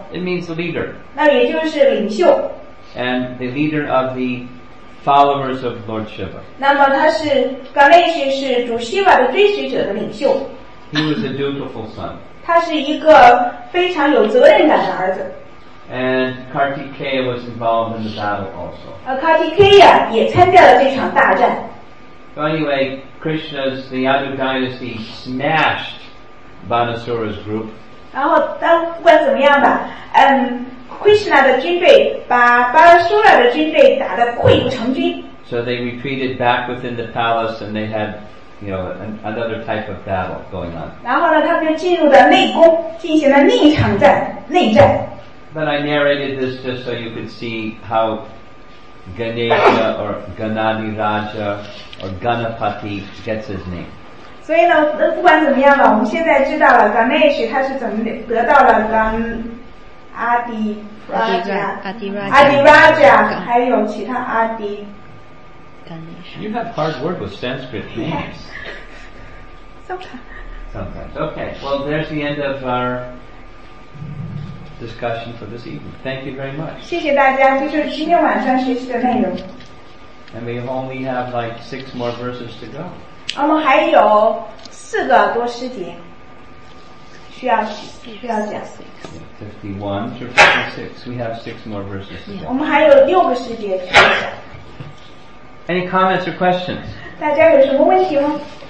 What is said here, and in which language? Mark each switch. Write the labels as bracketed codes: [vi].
[en] It means the leader. [zh] 那也就是领袖。 [en] And the leader of the followers of Lord Shiva. [zh] 那么他是 Ganesh 是主 Shiva 的追随者的领袖。 [en] He was a dutiful son. [zh] 他是一个非常有责任感的儿子。 [en] And Kartikeya was involved in the battle also. [zh] Kartikeya 也参加了这场大战。 [en] So anyway, Krishna's, the Yadu dynasty smashed Banasura's group. [zh] 然后当不管怎么样吧Krishna 的军队把 Banasura 的军队打得溃不成军。 [en] So they retreated back within the palace and they had, you know, another type of battle going on. [zh] 然后呢他们就进入了内宫进行了另一场战内战。 [en] But I narrated this just so you could see how Ganesha or Ganadiraja or Ganapati gets his name. [zh] 所以呢，那不管怎么样吧，我们现在知道了 Ganesh 他是怎么得到了 Adiraja 还有其他 Adi [en] Ganesh. You have hard work with Sanskrit names. Sometimes. Sometimes. Okay. Well, there's the end of our. Discussion for this evening. Thank you very much. [zh] 谢谢大家，这就是今天晚上学习的内容。 [en] And we only have like six more verses to go. [zh] 我们还有四个多诗节需要讲。 [en] 51 to 56. We have six more verses. [zh] 我们还有六个诗节需要讲。 [en] Any comments or questions? [zh] 大家有什么问题吗？